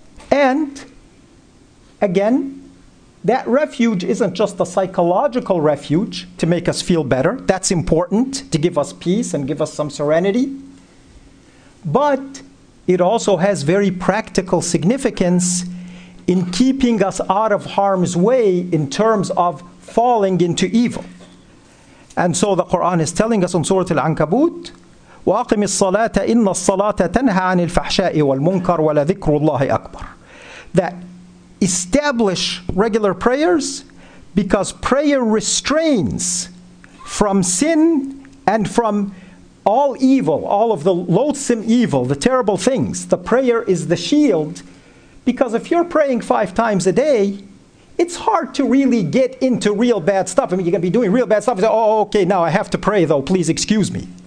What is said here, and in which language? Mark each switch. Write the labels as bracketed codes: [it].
[en] And again, that refuge isn't just a psychological refuge to make us feel better. That's important to give us peace and give us some serenity. But it also has very practical significance in keeping us out of harm's way in terms of falling into evil. And so the Quran is telling us in Surah Al-Ankabut, [ar] وَأَقِمِ الصَّلَاةَ إِنَّ الصَّلَاةَ تَنْهَى عَنِ الْفَحْشَاءِ وَالْمُنْكَرِ وَلَذِكْرُ اللَّهِ أَكْبَرُ. [en] That establish regular prayers, because prayer restrains from sin and from all evil, all of the loathsome evil, the terrible things. The prayer is the shield. Because if you're praying five times a day, it's hard to really get into real bad stuff. I mean, you're going to be doing real bad stuff. And say, oh, okay, now I have to pray though. Please excuse me.